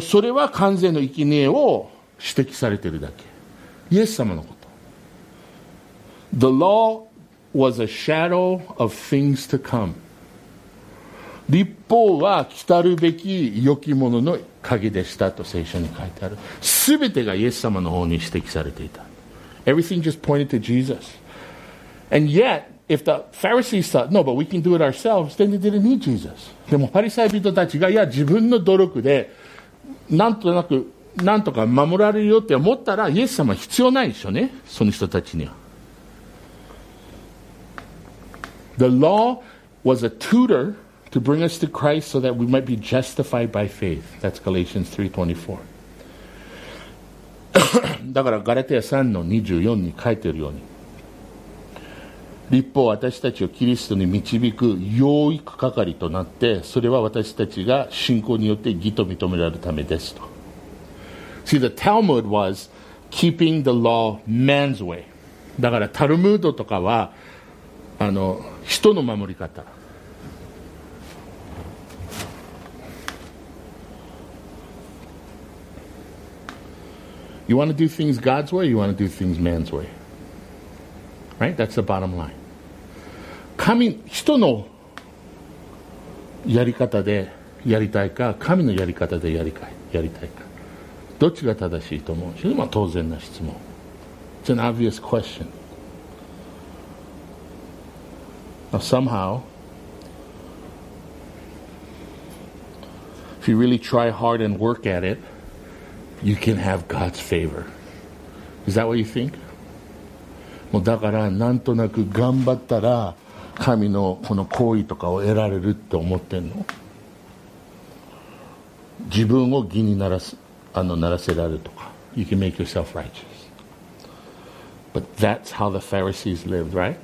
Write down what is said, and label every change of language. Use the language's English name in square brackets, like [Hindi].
[Japanese] それは完全の生贄を指摘されてるだけ、イエス様のこと。 [English] The law was a shadow of things to come. [Japanese] 律法は来たるべき良きものの鍵でしたと聖書に書いてある。すべてがイエス様の方に指摘されていた。 [English] Everything just pointed to Jesus. And yet, if the Pharisees thought, no, but we can do it ourselves, then they didn't need Jesus. [Japanese] でもパリサイ人たちが、いや、自分の努力で、なんとなく、なんとか守られるよって思ったら、イエス様必要ないでしょうね、その人たちには。 [English] The law was a tutor. To bring us to Christ so that we might be justified by faith. That's Galatians 3:24. [Japanese] だからガラテヤ3の24に書いてるように、律法は私たちをキリストに導く養育係となって、それは私たちが信仰によって義と認められるためですと。 [English] See, the Talmud was keeping the law man's way. [Japanese] だからタルムードとかは、あの、人の守り方。 [English] You want to do things God's way, or you want to do things man's way? Right? That's the bottom line. [Japanese] 神、人のやり方でやりたいか、神のやり方でやりたいか、どっちが正しいと思う？それは当然な質問。 [English] It's an obvious question. Now, somehow, if you really try hard and work at it, you can have God's favor. Is that what you think? [Japanese] もうだからなんとなく頑張ったら神のこの好意とかを得られるって思ってんの？自分を義にならす、あのならせられるとか。 [English] You can make yourself righteous. But that's how the Pharisees lived, right?